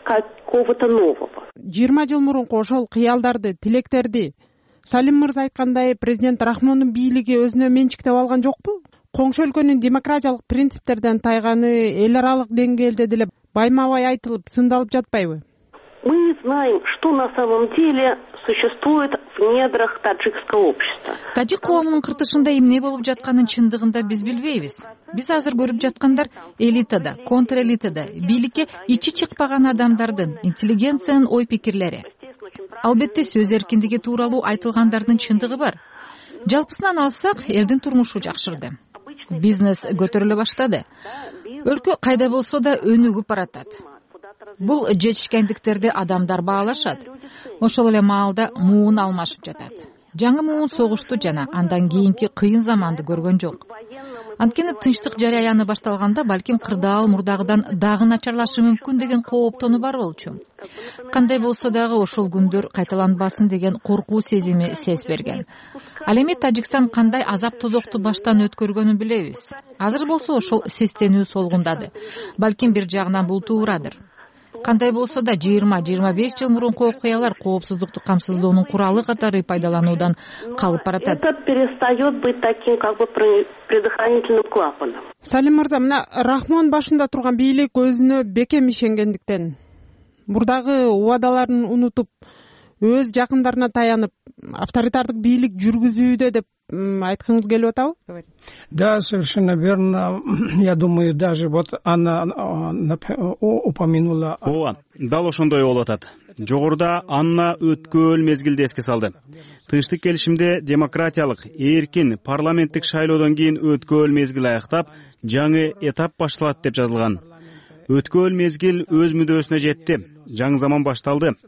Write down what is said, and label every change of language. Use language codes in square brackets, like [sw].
[ky] Жыйырма жыл мурунку ошол кыялдарды, тилектерди Салим мырза айткандай, президент Рахмондун бийлиги өзүнө менчиктеп алган жокпу? Коңшу өлкөнүн демократиялык принциптерден тайганы эл аралык деңгээлде деле байма-бай айтылып, сындалып жатпайбы? [ru] Мы не знаем, что на самом деле существует в недрах таджикского общества. [ky] Таджик коомунун кыртышында эмне болуп жатканын чындыгында биз билбейбиз. Биз азыр көрүп жаткандар элитада, контрэлитада, бийликке ичи чыкпаган адамдардын, интеллигенциянын ой-пикирлери. Албетте сөз эркиндиги тууралуу айтылгандардын чындыгы бар. Жалпысынан алсак, элдин турмушу жакшырды. Бизнес көтөрүлө баштады. Өлкө кайда болсо да өнүгүп баратат. Бул жетишкендиктерди адамдар баалашат. Ошол эле маалда муун алмашып жатат. Жаңы муун согушту жана андан кийинки кыйын заманды көргөн жок. Анткени тынчтык жараяны башталганда балким кырдаал мурдагыдан дагы начарлашы мүмкүн деген кооптону бар болчу. Кандай болсо дагы ошол күндөр кайталанбасын деген коркуу сезими сез берген. Ал эми Тажикстан кандай азап тозокту баштан өткөргөнүн билебиз. Азыр болсо ошол сестенүү солгундады. Балким бир жагынан бул туурадыр. Кандай болсо да 20-25 жыл мурунку окуялар коопсуздукту камсыздоонун куралы катары пайдалануудан калып баратат. [ru] Это перестает быть таким как бы предохранительным клапаном. [ky] Салим мырза, мына Рахмон башында турган бийлик өзүнө бекем ишенгендиктен, мурдагы убадаларын унутуп, өз жакындарына таянып, авторитардык бийлик жүргүзүүдө деп айтканыз келип атабы? [ru] Да, совершенно верно. Я думаю, даже вот она упомянула. [ky] Ооба, дал ошондой болуп атат. Жогоруда Анна өткөн мезгилди эске салды. Тынчтык келишимде демократиялык, эркин парламенттик шайлоодон кийин өткөн мезгил аяктап, жаңы этап башталат деп жазылган. Өткөн мезгил өз мүдөөсүнө жетти. Жаңы заман башталды.